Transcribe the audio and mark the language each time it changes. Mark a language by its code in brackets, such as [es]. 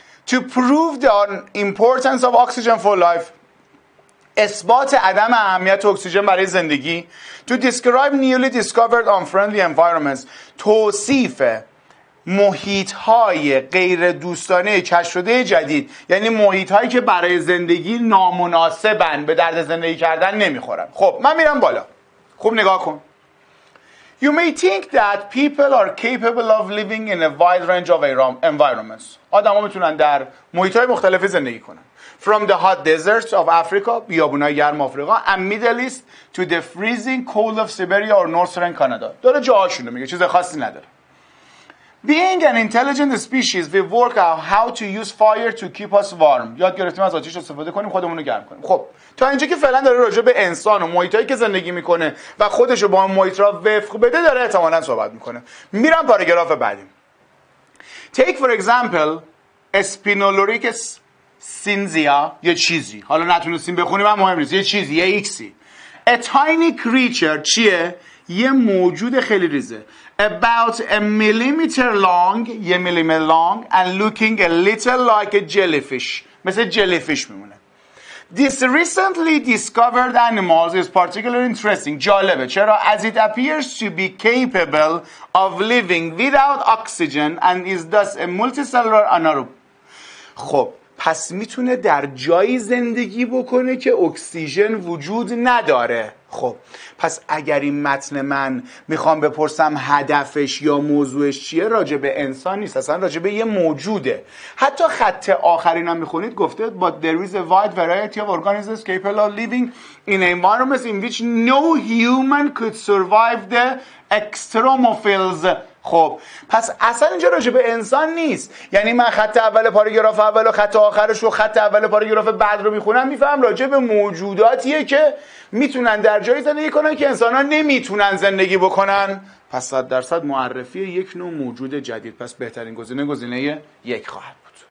[en] To prove the importance of oxygen for life، [fa] اثبات عدم اهمیت اکسیژن برای زندگی. [en] To describe newly discovered unfriendly environments، [fa] توصیف محیط های غیر دوستانه کشف شده جدید، یعنی محیط هایی که برای زندگی نامناسبن، به درد زندگی کردن نمیخورن. خب من میرم بالا، خوب نگاه کن. [en] You may think that people are capable of living in a wide range of environments. [fa] آدم ها میتونن در محیط های مختلف زندگی کنن. [en] From the hot deserts of Africa، [fa] بیابون های گرم آفریقا، [en] and Middle East to the freezing cold of Siberia or Northern Canada. [fa] داره جاهاشونو میگه، چیز خاصی نداره. [en] Being an intelligent species، we work out how to use fire to keep us warm. [fa] یاد گرفتیم از آتش استفاده کنیم، خودمونو گرم کنیم. خب تا اینجا که فعلا داره راجع به انسان و محیطی که زندگی میکنه و خودش رو با اون محیط را وفق بده داره احتمالا صحبت میکنه. میرم پاراگراف بعدی. [en] Take for example Spinolorhynchus cinzia، [fa] یه چیزی، حالا نتونستیم بخونیم من مهم نیست، یه چیزی، یه ایکسی. [en] A tiny creature، [fa] چیه؟ یه موجود خیلی ریزه. [en] About a millimeter long، [fa] یه میلیمتر long، [en] and looking a little like a jellyfish، [fa] مثل jellyfish میمونه. [en] This recently discovered animals is particularly interesting، [fa] جالبه چرا؟ [en] As it appears to be capable of living without oxygen and is thus a multicellular anaerobe. [fa] خب پس میتونه در جایی زندگی بکنه که اکسیژن وجود نداره. خب پس اگر این متن من میخوام بپرسم هدفش یا موضوعش چیه، راجع به انسان نیست، اصلا راجع به یه موجوده. حتی خط آخرین هم میخونید گفته [en] But there is a wide variety of organisms capable of living in environments in which no human could survive the extremophiles. [fa] خب پس اصلا اینجا راجع به انسان نیست. یعنی من خط اول پاراگراف اول و خط آخرش و خط اول پاراگراف بعد رو میخونم، میفهم راجع به موجوداتیه که میتونن در جایی زندگی کنن که انسان ها نمیتونن زندگی بکنن. پس 100% معرفی یک نوع موجود جدید، پس بهترین گزینه گزینه یک خواهد بود.